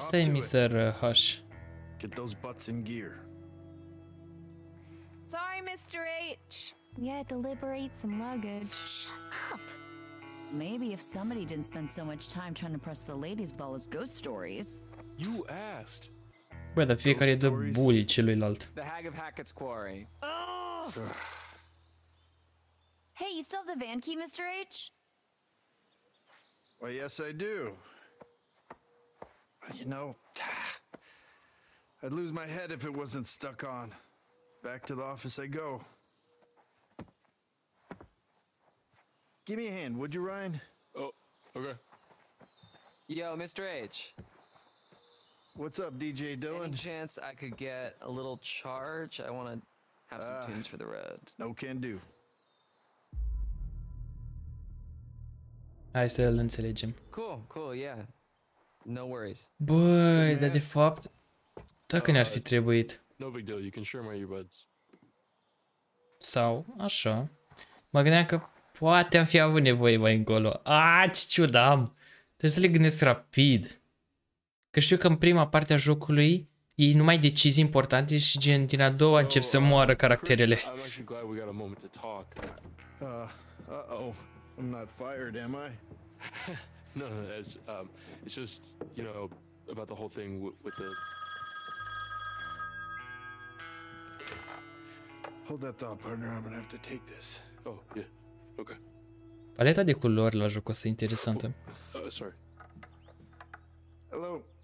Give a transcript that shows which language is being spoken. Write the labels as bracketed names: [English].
[English] Stay, Mr. Hush. Get those butts in gear. Sorry, Mr. H. We had to liberate some luggage. Shut up. Maybe if somebody didn't spend so much time trying to press the ladies with all his ghost stories. You asked. [Romanian] Bă, dar fiecare dă bully celuilalt. [English] The Hag of Hackett's Quarry. Oh! Hey, you still have the van key, Mr. H? Well, yes, I do. You know, I'd lose my head if it wasn't stuck on. Back to the office I go. Give me a hand, would you, Ryan? Oh, okay. Yo, Mr. H. What's up, DJ Dylan? Any chance I could get a little charge? I want to have some tunes for the road. No can do. [Romanian] Hai să-l înțelegem. [English] Cool, yeah. No worries. [Romanian] Băi, dar de fapt, dacă ne-ar fi trebuit. [English] No big deal, you can share my earbuds. [Romanian] Sau, așa. Mă gândeam că... Poate am fi avut nevoie mai încolo. Ce ciudă am. Trebuie să le gândesc rapid. Că știu că în prima parte a jocului e numai decizii importante și gen din a doua încep să moară caracterele. [English] I'm actually glad we got a moment to talk. I'm not fired, am I? No, it's just, you know, about the whole thing with the... Hold that thought, partner. I'm gonna have to take this. Oh, yeah. Okay. [Romanian] Paleta de culori la jocul ăsta e interesantă. [English] Oh, sorry. Hello.